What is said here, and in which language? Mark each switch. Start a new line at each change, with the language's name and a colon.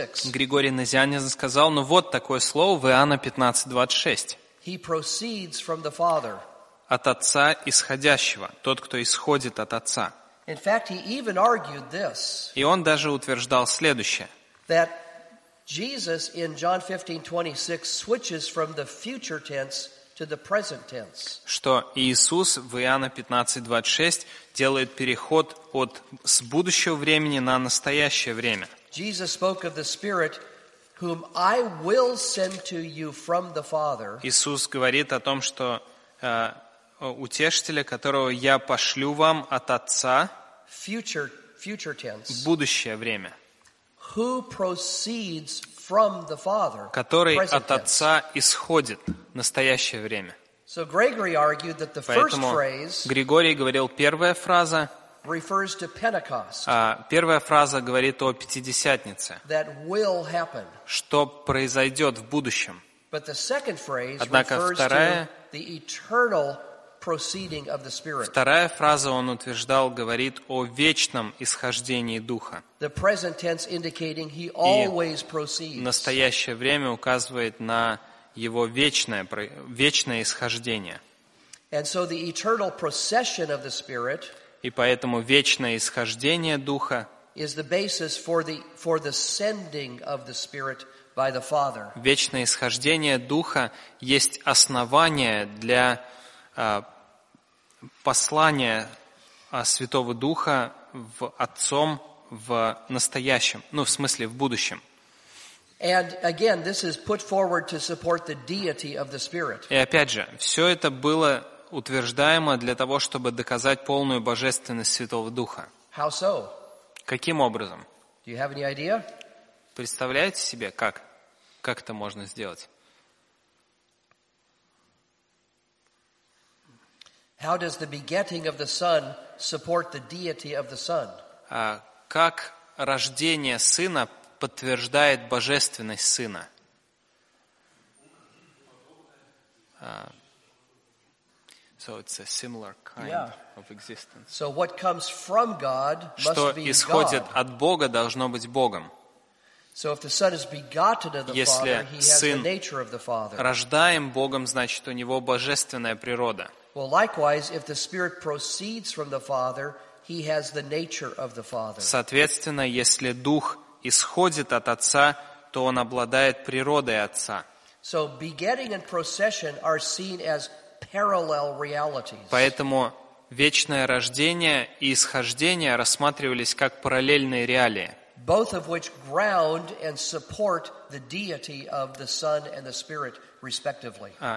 Russian: Григорий Назианзен сказал, ну вот такое слово в Иоанна 15:26.
English: He proceeds from the Father.
Russian: От Отца исходящего, тот, кто исходит от Отца.
English: In fact, he even argued this.
Russian: И он даже утверждал следующее.
English: That Jesus in John 15:26 switches from the future tense to the present tense.
Russian: Что Иисус в Иоанна 15:26 делает переход от с будущего времени на настоящее время.
English: Jesus spoke of the Spirit, whom I will send to you from the Father.
Russian: Иисус говорит о том, что Утешителя, которого я пошлю вам от Отца,
English: future tense,
Russian: в будущее время,
English: who proceeds from the Father,
Russian: который от Отца исходит в настоящее время.
English: So Gregory argued that the
Russian: Поэтому
English: first phrase
Russian: Григорий говорил, первая фраза
English: refers to Pentecost,
Russian: первая фраза говорит о Пятидесятнице,
English: that will happen,
Russian: что произойдет в будущем.
English: But the second phrase
Russian: Однако
English: refers
Russian: вторая
English: to the eternal proceeding of the Spirit.
Russian: Вторая фраза, он утверждал, говорит о вечном исхождении Духа.
English: The present tense indicating he always proceeds.
Russian: И настоящее время указывает на его вечное исхождение.
English: And so the eternal procession of the Spirit,
Russian: и поэтому вечное исхождение Духа,
English: is the basis for the sending of the Spirit by the Father.
Russian: Вечное исхождение Духа есть основание для послание Святого Духа в Отцом в настоящем, ну, в смысле, в будущем.
English: And again, this is put forward to support the deity of the Spirit.
Russian: И опять же, все это было утверждаемо для того, чтобы доказать полную божественность Святого Духа.
English: How so?
Russian: Каким образом?
English: Do you have any idea?
Russian: Представляете себе, как это можно сделать?
English: How does the begetting of the Son support the deity of the Son?
Russian: Как рождение Сына подтверждает божественность Сына?
English: So it's a similar kind of existence. So what comes from God must be God.
Russian: Что исходит от Бога должно быть Богом.
English: So if the Son is begotten of the Father, he has the nature of the Father.
Russian: Рождаем Богом, значит, у него божественная природа.
English: Well, likewise, if the Spirit proceeds from the Father, he has the nature of the Father.
Russian: Соответственно, если Дух исходит от Отца, то он обладает природой Отца.
English: So begetting and procession are seen as parallel realities.
Russian: Поэтому вечное рождение и исхождение рассматривались как параллельные реалии.
English: Both of which ground and support the deity of the Son and the Spirit, respectively.